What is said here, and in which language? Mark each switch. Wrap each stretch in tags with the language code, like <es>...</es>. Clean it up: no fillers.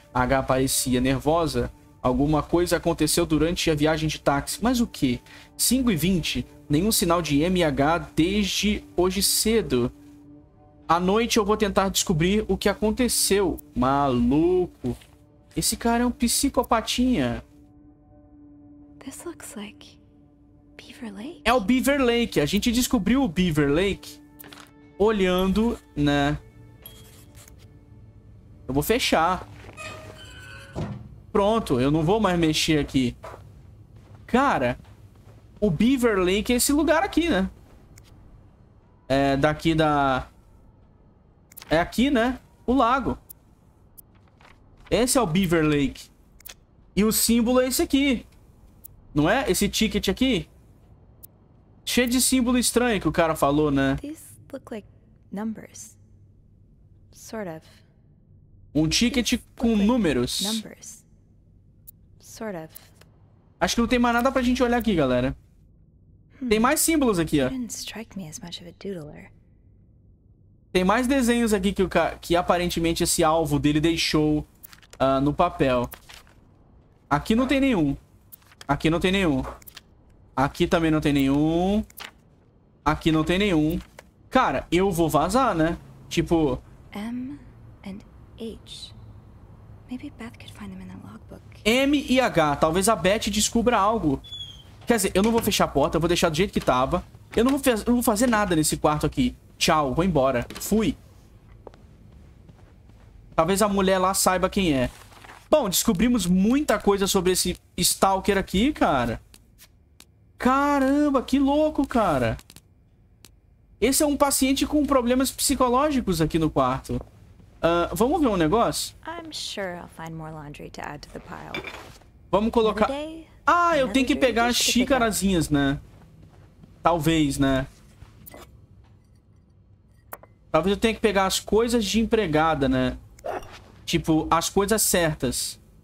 <pt>H parecia nervosa. Alguma coisa aconteceu durante a viagem de táxi. Mas o quê? 5h20, nenhum sinal de M e H desde hoje cedo. À noite eu vou tentar descobrir o que aconteceu. Maluco. Esse cara é um psicopatinha.</pt> <en>This looks like Beaver Lake.</en> <pt>É o Beaver Lake. A gente descobriu o Beaver Lake olhando, né? Eu vou fechar. Pronto, eu não vou mais mexer aqui. Cara, o Beaver Lake é esse lugar aqui, né? É daqui da... É aqui, né? O lago. Esse é o Beaver Lake. E o símbolo é esse aqui. Não é? Esse ticket aqui. Cheio de símbolo estranho que o cara falou, né?</pt> <en>Numbers. Sort of.</en> <pt>Um ticket com números.</pt> <en>Numbers. Sort of.</en> <pt>Acho que não tem mais nada pra gente olhar aqui, galera. Tem mais símbolos aqui, ó.</pt> <en>Strike me as much of a doodler.</en> <pt>Tem mais desenhos aqui que aparentemente esse alvo dele deixou no papel. Aqui não tem nenhum. Aqui não tem nenhum. Aqui também não tem nenhum. Aqui não tem nenhum. Cara, eu vou vazar, né? Tipo...</pt> <en>M and H. Maybe Beth could find them in the logbook.</en> <pt>M e H. Talvez a Beth descubra algo. Quer dizer, eu não vou fechar a porta. Eu vou deixar do jeito que tava. Eu não vou fazer nada nesse quarto aqui. Tchau, vou embora. Fui. Talvez a mulher lá saiba quem é. Bom, descobrimos muita coisa sobre esse stalker aqui, cara. Caramba, que louco, cara. Esse é um paciente com problemas psicológicos aqui no quarto. Vamos ver um negócio?</pt> <en>I'm sure I'll find more laundry to add to the pile.</en> <pt>Vamos colocar... Ah, eu tenho que pegar as xícarazinhas, né? Talvez, né? Talvez eu tenha que pegar as coisas de empregada, né? Tipo, as coisas certas.</pt>